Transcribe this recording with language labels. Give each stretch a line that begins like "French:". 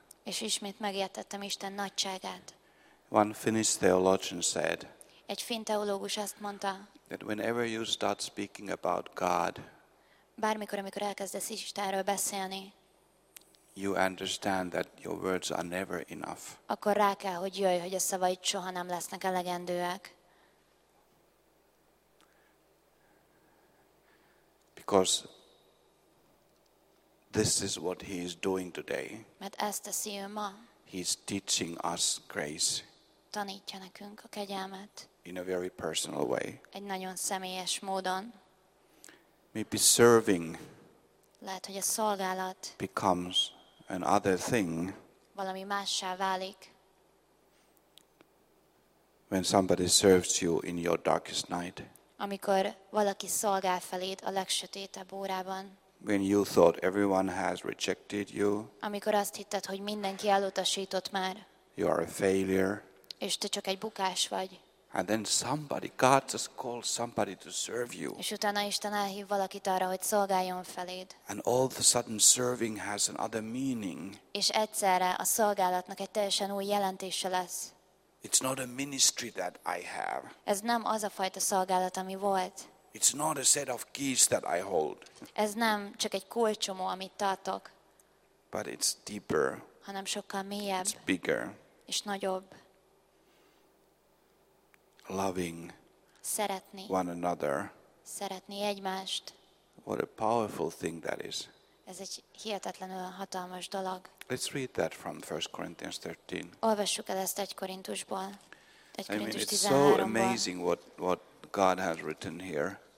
Hungarian: És ismét megértettem Isten nagyságát.
English: One Finnish theologian said.
Hungarian: Egy finn teológus azt mondta.
English: That whenever you start speaking about God.
Hungarian: Bármikor, amikor elkezdesz Istenről beszélni.
English: you understand that your words are never enough.
Hungarian: Akkor rá kell, hogy jöjj, hogy a szavaid soha nem lesznek elegendőek.
English: Because this is what he is doing today.
Hungarian: Mert ezt teszi ő ma.
English: He's teaching us grace.
Hungarian: Tanítja nekünk a kegyelmet.
English: In a very personal way.
Hungarian: Egy nagyon személyes módon.
English: Maybe serving.
Hungarian: Lehet, hogy a szolgálat
English: becomes an other thing.
Hungarian: Valami mássá válik.
English: When somebody serves you in your darkest night.
Hungarian: Amikor valaki szolgál feléd a legsötétebb órában.
English: When you thought everyone has rejected you.
Hungarian: Amikor azt hitted, hogy mindenki elutasított már.
English: You are a failure.
Hungarian: És te csak egy bukás vagy.
English: And then somebody, God just calls somebody to serve you.
Hungarian: És utána Isten elhív valakit arra, hogy szolgáljon feléd.
English: And all of a sudden serving has another meaning.
Hungarian: És egyszerre a szolgálatnak egy teljesen új jelentése lesz.
English: It's not a ministry that I have.
Hungarian: Ez nem az a fajta szolgálat, ami volt.
English: It's not a set of keys that I hold.
Hungarian: Ez nem csak egy kulcsomó, amit tartok.
English: But it's deeper.
Hungarian: Hanem sokkal mélyebb.
English: It's bigger.
Hungarian: És nagyobb.
English: Loving
Hungarian: szeretni
English: one another.
Hungarian: Szeretni egymást.
English: What a powerful thing that is.
Hungarian: Ez egy hihetetlenül hatalmas dolog.
English: Let's read that from 1 Corinthians 13.
Hungarian: Olvassuk el ezt 1 Korintusból.
English: It's so amazing what God has written here.